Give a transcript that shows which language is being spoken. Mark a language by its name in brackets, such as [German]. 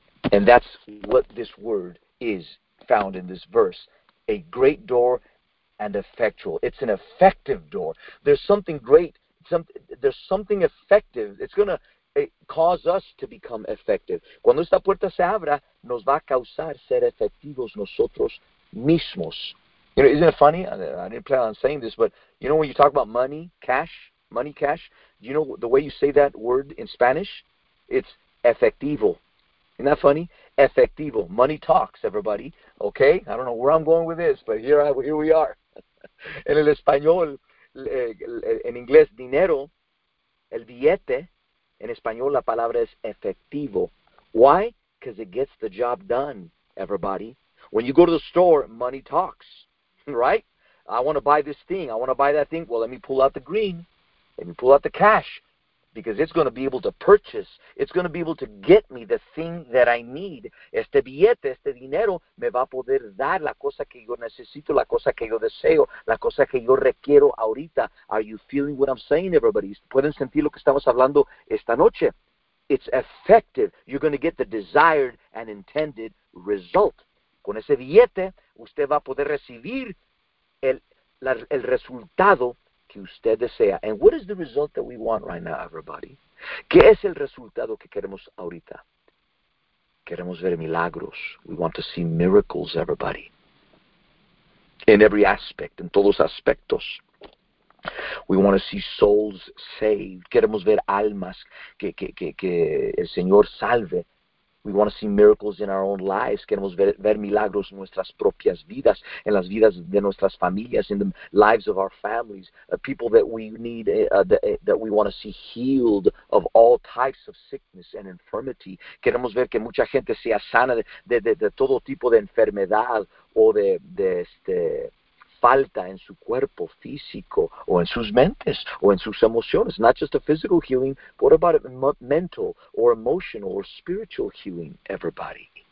[English] And that's what this word is found in this verse. A great door and effectual. It's an effective door. There's something great. There's something effective. It's going to cause us to become effective. [Spanish] Cuando esta puerta se abra, nos va a causar ser efectivos nosotros mismos. [English] You know, isn't it funny? I didn't plan on saying this, but you know when you talk about money, cash, do you know the way you say that word in Spanish? It's efectivo. Isn't that funny? Efectivo. Money talks, everybody. Okay? I don't know where I'm going with this, but here we are. [Spanish] En el español, en inglés, dinero, el billete, en español, la palabra es efectivo. [English] Why? Because it gets the job done, everybody. When you go to the store, money talks, right? I want to buy this thing. I want to buy that thing. Well, let me pull out the green. Let me pull out the cash because it's going to be able to purchase. It's going to be able to get me the thing that I need. [Spanish] Este billete, este dinero, me va a poder dar la cosa que yo necesito, la cosa que yo deseo, la cosa que yo requiero ahorita. [English] Are you feeling what I'm saying, everybody? [Spanish] ¿Pueden sentir lo que estamos hablando esta noche? [English] It's effective. You're going to get the desired and intended result. [Spanish] Con ese billete, usted va a poder recibir el resultado que usted desea. [English] And what is the result that we want right now, everybody? [Spanish] ¿Qué es el resultado que queremos ahorita? Queremos ver milagros. [English] We want to see miracles, everybody. In every aspect, [Spanish] en todos aspectos. [English] We want to see souls saved. [Spanish] Queremos ver almas que el Señor salve. [English] We want to see miracles in our own lives. [Spanish] Queremos ver milagros en nuestras propias vidas, en las vidas de nuestras familias, [English] in the lives of our families, people that we need, that we want to see healed of all types of sickness and infirmity. [Spanish] Queremos ver que mucha gente sea sana de todo tipo de enfermedad o de falta en su cuerpo físico o en sus mentes o en sus emociones. [English] Not just a physical healing, what about mental or emotional or spiritual healing, everybody?